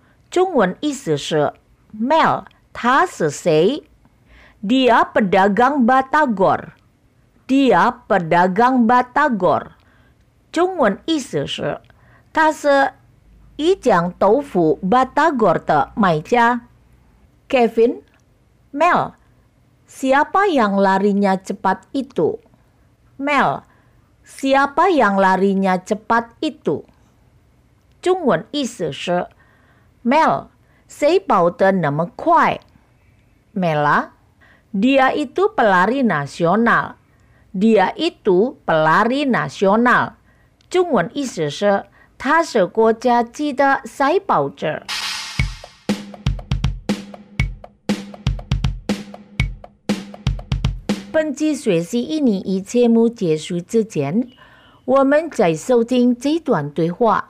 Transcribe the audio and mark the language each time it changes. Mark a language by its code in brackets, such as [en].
[zh] 中文意思是 Mel 他是谁？ [id] Dia pedagang batagor. Dia pedagang batagor. [zh] 中文意思是他是一家豆腐 batagor 的买家。 [id] Kevin MelSiapa yang larinya cepat itu? Mel, siapa yang larinya cepat itu? [zh] 中文意思是 Mel, 谁跑得那么快? [id] Mela, dia itu pelari nasional. Dia itu pelari nasional. [zh] 中文意思是他是国家级的赛跑者。本期学习印尼语节目结束之前，我们再收听这段对话。